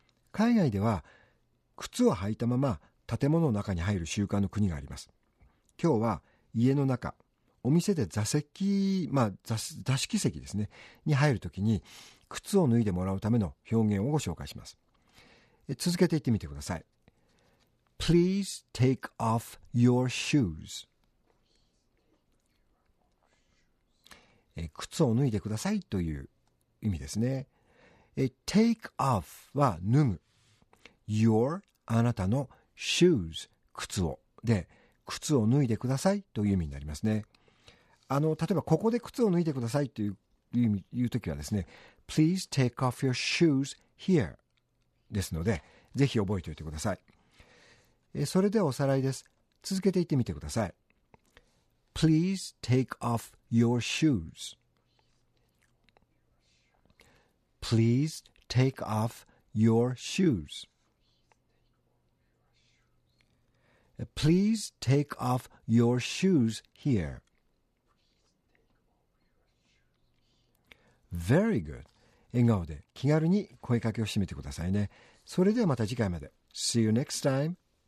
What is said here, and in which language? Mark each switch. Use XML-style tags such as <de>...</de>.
<ja>海外では靴を履いたまま建物の中に入る習慣の国があります。今日は家の中、お店で座席、座敷席ですね、に入るときに靴を脱いでもらうための表現をご紹介します。続けて言ってみてください。</ja> <en>Please take off your shoes.</en> <ja>靴を脱いでくださいという意味ですね。</ja> <en>Take off</en> <ja>は脱ぐ。 Your あなたの shoes 靴を。で、靴を脱いでくださいという意味になりますね。例えばここで靴を脱いでくださいというときはですね、</ja> <en>Please take off your shoes here</en> <ja>ですので、ぜひ覚えておいてください。それではおさらいです。続けて言ってみてください。</ja> <en>Please take off your shoes. Please take off your shoes. Please take off your shoes here. Very good.</en> <ja>笑顔で気軽に声かけをしてみてくださいね。それではまた次回まで。</ja> <en>See you next time.</en>